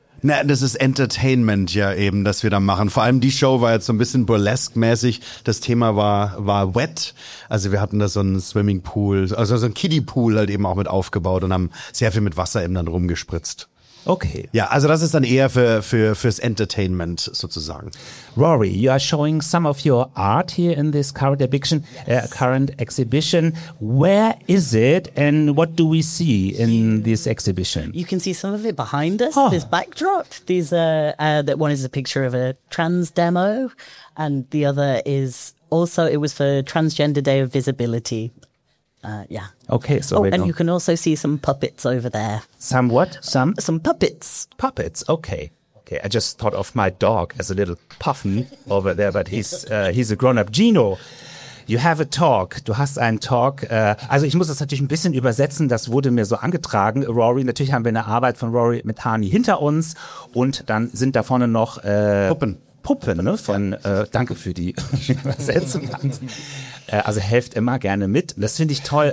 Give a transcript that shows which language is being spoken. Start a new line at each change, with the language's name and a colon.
German: Na, das ist Entertainment ja eben, das wir da machen. Vor allem die Show war jetzt so ein bisschen burlesque-mäßig. Das Thema war wet. Also wir hatten da so einen Swimmingpool, also so einen Kiddiepool halt eben auch mit aufgebaut und haben sehr viel mit Wasser eben dann rumgespritzt. Okay. Ja, also das ist dann eher fürs Entertainment sozusagen.
English: Rory, you are showing some of your art here in this current exhibition. Yes. Current exhibition. Where is it and what do we see in this exhibition? You can see some of it behind us, this backdrop. These are, that one is a picture of a trans demo and the other is also, it was for Transgender Day of Visibility. Okay, so You can also see some puppets over there. Some what? Some puppets. Puppets, okay. Okay, I just thought of my dog as a little puffin over there, but he's a grown-up. Gino, you have a talk.
German: Du hast einen Talk. Also ich muss das natürlich ein bisschen übersetzen, das wurde mir so angetragen. Rory, natürlich haben wir eine Arbeit von Rory mit Hani hinter uns und dann sind da vorne noch Puppen, ne? Danke für die Übersetzung. Also helft immer gerne mit. Das finde ich toll.